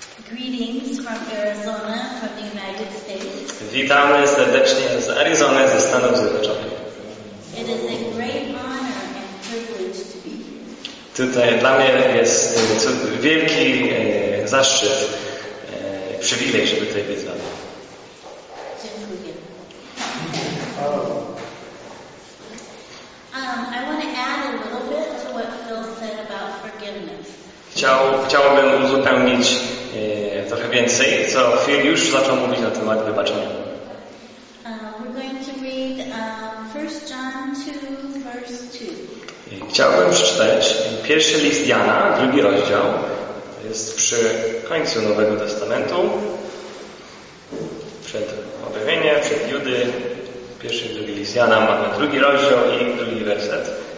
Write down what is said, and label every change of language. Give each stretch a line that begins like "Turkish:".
English: Greetings from Arizona, from the United States.
Polish: Witamy serdecznie z Arizony, ze Stanów Zjednoczonych.
English: It is a great honor and privilege to be here.
Polish: Tutaj dla mnie jest wielki zaszczyt, przywilej, żeby tutaj być z Wami. Dziękuję.
English: I want to add a little bit to what Phil said about forgiveness.
Polish: Chciałbym uzupełnić trochę więcej, co Phil już zaczął mówić na temat wybaczenia.
English: We're going to read 1 John 2, verse 2.
Polish: Chciałbym przeczytać pierwszy list Jana, drugi rozdział. To jest przy końcu Nowego Testamentu. Przed objawieniem, przed Judy. Pierwszy i drugi list Jana. Mamy drugi rozdział i drugi werset.